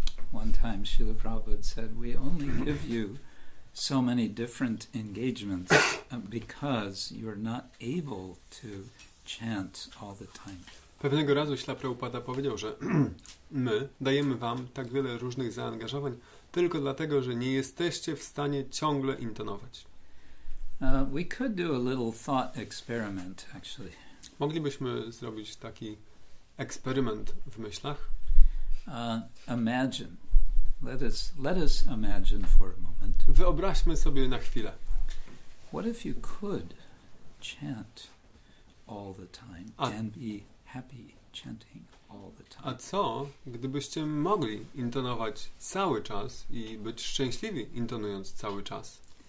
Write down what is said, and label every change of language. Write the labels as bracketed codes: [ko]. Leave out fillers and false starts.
[en] One time Srila Prabhupada said, we only give you so many different engagements because you're not able to chant all the time. [pl] Pewnego razu Srila Prabhupada powiedział, że my dajemy wam tak wiele różnych zaangażowań tylko dlatego, że nie jesteście w stanie ciągle intonować. [en] We could do a little thought experiment, actually. [pl] Moglibyśmy zrobić taki eksperyment w myślach. [en] Imagine. Let us imagine for a moment. [pl] Wyobraźmy sobie na chwilę. [en] What if you could chant all the time and be happy chanting all the time? [pl] A co, gdybyście mogli intonować cały czas i być szczęśliwi intonując cały czas?